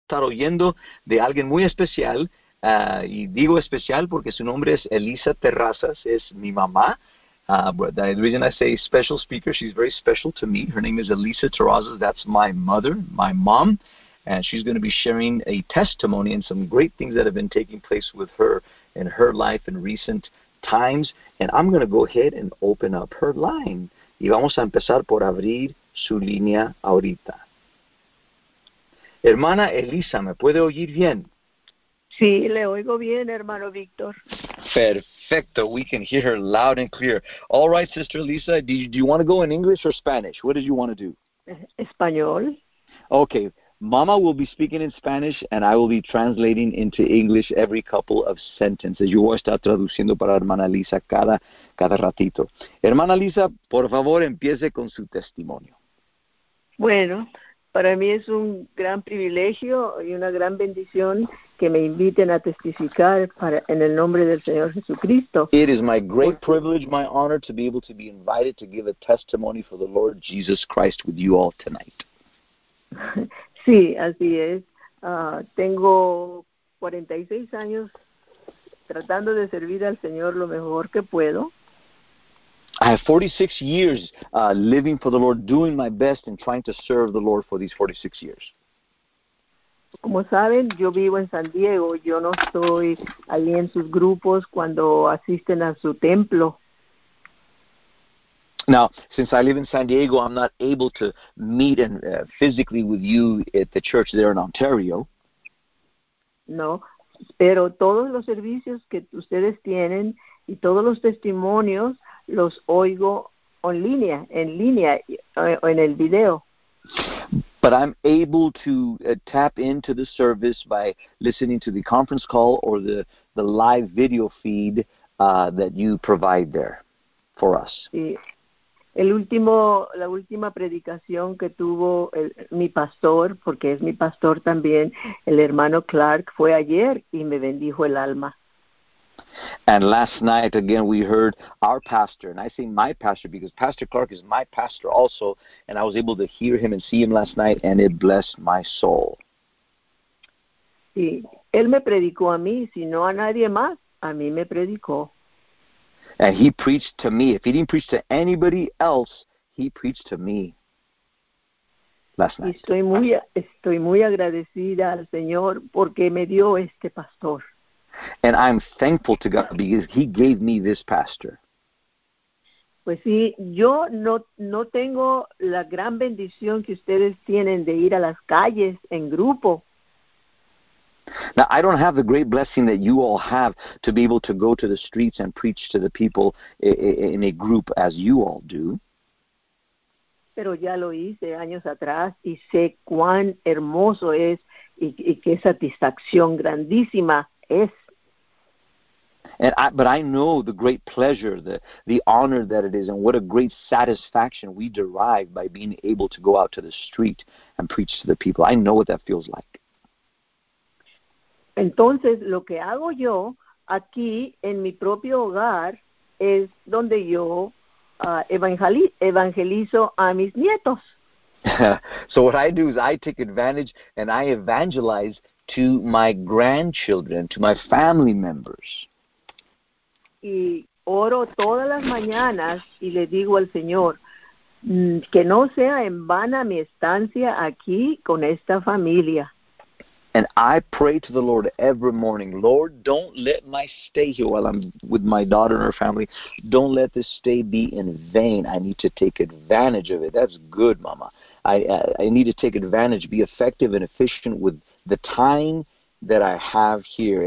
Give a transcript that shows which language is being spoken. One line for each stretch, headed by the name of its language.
Spanish: Estar oyendo de alguien muy especial, y digo especial porque su nombre es Elisa Terrazas, es mi mamá.
English: The reason I say special speaker, she's very special to me. Her name is Elisa Terrazas, that's my mother, my mom, and she's going to be sharing a testimony and some great things that have been taking place with her in her life in recent times. And I'm going to go ahead and open up her line.
Spanish: Y vamos a empezar por abrir su línea ahorita. Hermana Elisa, ¿me puede oír bien? Sí, le oigo bien, hermano Víctor. Perfecto.
English: We can hear her loud and clear. All right, Sister Elisa, do you want to go in English or Spanish? What did you want to do?
Spanish: Español.
English: Okay. Mama will be speaking in Spanish and I will be translating into English every couple of sentences.
Spanish: Yo voy a estar traduciendo para hermana Elisa cada ratito. Hermana Elisa, por favor, empiece con su testimonio. Bueno, para mí es un gran privilegio y una gran bendición que me inviten a testificar para, en el nombre del Señor Jesucristo.
English: It is my great
Spanish: Porque
English: privilege, my honor to be able to be invited to give a testimony for the Lord Jesus Christ with you all tonight.
Spanish: sí, así es. Tengo 46 años tratando de servir al Señor lo mejor que puedo.
English: I have 46 years living for the Lord, doing my best and trying to serve the Lord for these 46 years.
Spanish: Como saben, yo vivo en San Diego, yo no estoy ahí en sus grupos cuando asisten a su templo.
English: Now, since I live in San Diego, I'm not able to meet and physically with you at the church there in Ontario.
Spanish: No, pero todos los servicios que ustedes tienen y todos los testimonios los oigo online, en línea, en el video.
English: But I'm able to tap into the service by listening to the conference call or the live video feed that you provide there for us.
Spanish: Y el último, la última predicación que tuvo mi pastor, porque es mi pastor también, el hermano Clark, fue ayer y me bendijo el alma.
English: And last night, again, we heard our pastor, and I say my pastor because Pastor Clark is my pastor also, and I was able to hear him and see him last night, and it blessed my soul.
Spanish: Y él me predicó a mí, si no a nadie más, a mí me predicó.
English: And he preached to me. If he didn't preach to anybody else, he preached to me last
Spanish: Y
English: night.
Spanish: estoy muy agradecida al Señor porque me dio este pastor.
English: And I'm thankful to God because He gave me this pastor.
Spanish: Pues sí, yo no tengo la gran bendición que ustedes tienen de ir a las calles en grupo.
English: Now, I don't have the great blessing that you all have to be able to go to the streets and preach to the people in a group as you all do.
Spanish: Pero ya lo hice años atrás y sé cuán hermoso es y qué satisfacción grandísima es.
English: But I know the great pleasure, the honor that it is, and what a great satisfaction we derive by being able to go out to the street and preach to the people. I know what that feels like.
Spanish: Entonces, lo que hago yo aquí en mi propio hogar es donde yo evangelizo a mis nietos.
English: So what I do is I take advantage and I evangelize to my grandchildren, to my family members.
Spanish: Y oro todas las mañanas y le digo al Señor, que no sea en vano mi estancia aquí con esta familia.
English: And I pray to the Lord every morning, Lord, don't let my stay here while I'm with my daughter and her family. Don't let this stay be in vain. I need to take advantage of it. That's good, Mama. I need to take advantage, be effective and efficient with the time that I have here.